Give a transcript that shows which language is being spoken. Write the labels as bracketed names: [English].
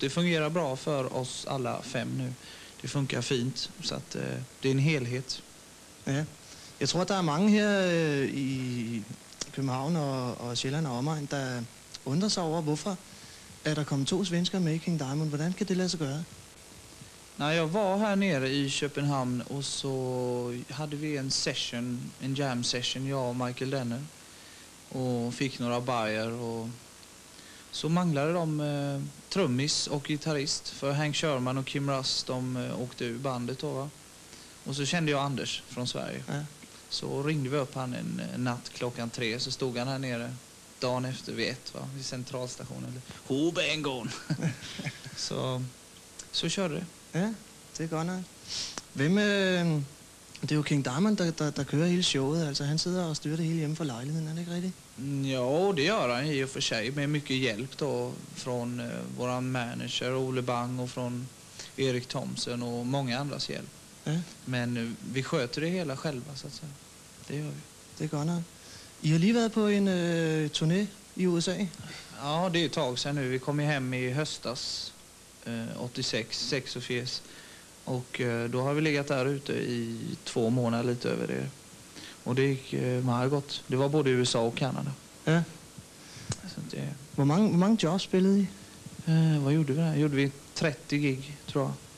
[Danish] Det fungerer bra for os alle fem nu. Det fungerer fint, så at, det er en helhed. Ja. Jeg tror, at der er mange her i København og Sjælland og omegn, der undrer sig over, hvorfor er der kommet to svensker med i King Diamond. Hvordan kan det lade sig gøre? [Swedish] När jag var här nere i Köpenhamn och så hade vi en session, en jam session, jag och Michael Denner. Och fick några bajer och så manglade de trummis och gitarrist. För Hank Sherman och Kim Russ, de åkte ur bandet då, va? Och så kände jag Anders från Sverige. Ja. Så ringde vi upp han en natt klockan tre, så stod han här nere dagen efter vid ett, va? I centralstationen. Ho, bengon! Så körde det. [Danish] Ja, det er godt nok. Det er jo King Diamond, der kører hele showet. Altså, han sidder og styrer det hele hjemme for lejligheden, er det ikke rigtigt? Jo, det gør han i og for sig, med mye hjælp da, fra vores manager Ole Bang og fra Erik Thomsen og mange andres hjælp. Ja. Men vi sköter det hele selv, så altså. Det gør vi. Det er godt nok. I har lige været på en turné i USA? Ja, det er et tag siden nu. Vi kom hjem i høstas. [Swedish] 86 och fjes. Och då har vi legat där ute i två månader lite över det. Och det gick gott. Det var både USA och Kanada. Ja. Så det. Hur många jobb spelade ni? Vad gjorde vi där? Gjorde vi 30 gig tror jag.